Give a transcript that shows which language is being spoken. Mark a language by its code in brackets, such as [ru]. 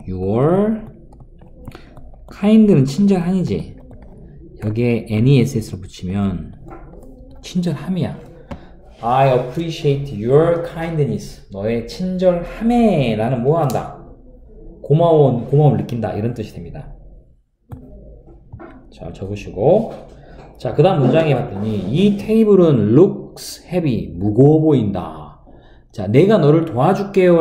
[en] Your kind [ko] 는 친절함이지. 여기에 NESS로 붙이면 친절함이야. [en] I appreciate your kindness. [ko] 너의 친절함에 나는 뭐한다? 고마움을 느낀다. 이런 뜻이 됩니다. 자, 적으시고. 자, 그 다음 문장에 봤더니, 이 테이블은 [en] looks heavy. [ko] 무거워 보인다. 자, 내가 너를 도와줄게요.